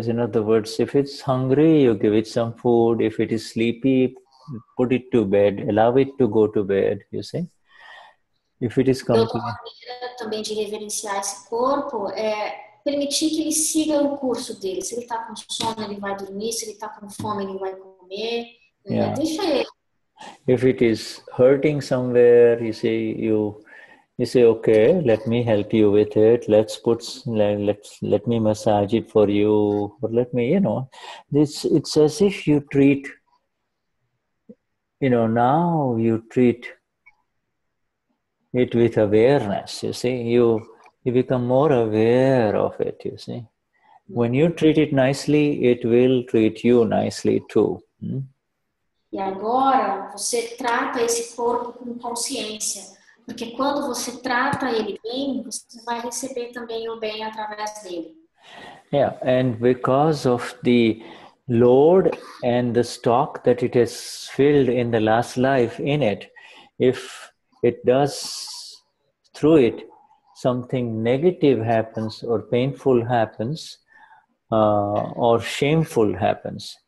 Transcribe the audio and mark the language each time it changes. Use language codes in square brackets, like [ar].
[en] In other words, if it's hungry, you give it some food. If it is sleepy, put it to bed. Allow it to go to bed, you see. If it is [pt] também de reverenciar esse corpo é permitir que ele siga o curso dele. Se ele está com sono, ele vai dormir. Se ele está com fome, ele vai comer. [en] Yeah. [pt] Deixa ele. [en] If it is hurting somewhere, you say, okay, let me help you with it. Let me massage it for you, or let me, you know, this. It's as if you treat, you know, now you treat it with awareness, you see. You become more aware of it, you see. When you treat it nicely, it will treat you nicely too. [pt] E agora, você trata esse corpo com consciência. Porque quando você trata ele bem, você vai receber também o bem através dele. [en] Yeah, and because of the load and the stock that it has filled in the last life in it, if it does, through it, something negative happens or painful happens or shameful happens.